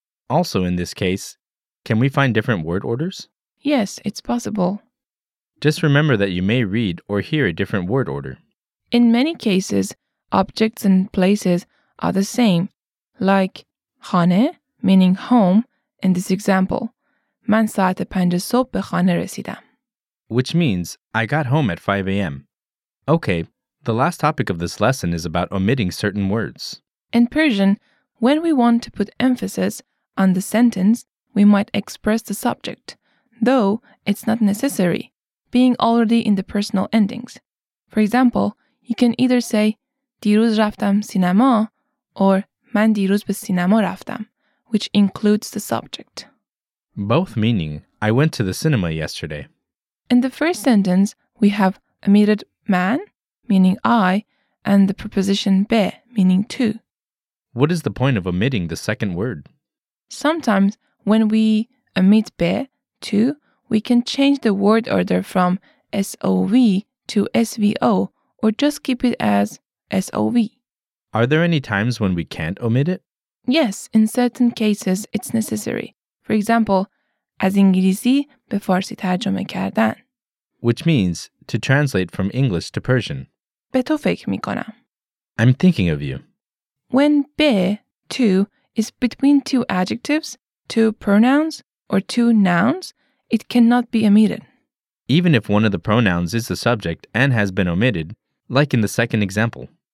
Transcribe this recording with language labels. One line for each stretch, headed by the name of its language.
English: Also in this case, can we find different word orders? Yes, it's possible. Just remember that you may read or hear a different word order. In many cases, objects and places are the same, like خانه, meaning home, in this example.
Persian: من ساعت پنج صبح به خانه رسیدم.
English: Which means, I got home at 5 a.m. Okay, the last topic of this lesson is about omitting certain words. In Persian, when we want to put emphasis on the sentence, we might express the subject, though it's not necessary, being already in the personal endings. For example, you can either say,
Persian: دیروز رفتم سینما,
English: or
Persian: من دیروز به سینما رفتم,
English: which includes the subject. Both meaning, I went to the cinema yesterday. In the first sentence, we have omitted man, meaning I, and the preposition be, meaning to. What is the point of omitting the second word? Sometimes, when we omit be, to, we can change the word order from SOV to SVO, or just keep it as SOV. Are there any times when we can't omit it? Yes, in certain cases, it's necessary. For example,
Persian: از انگلیسی به فارسی ترجمه کردن.
English: Which means, to translate from English to Persian.
Persian: به تو فکر می کنم.
English: I'm thinking of you. When be, to, is between two adjectives, two pronouns, or two nouns, it cannot be omitted. Even if one of the pronouns is the subject and has been omitted, like in the second example.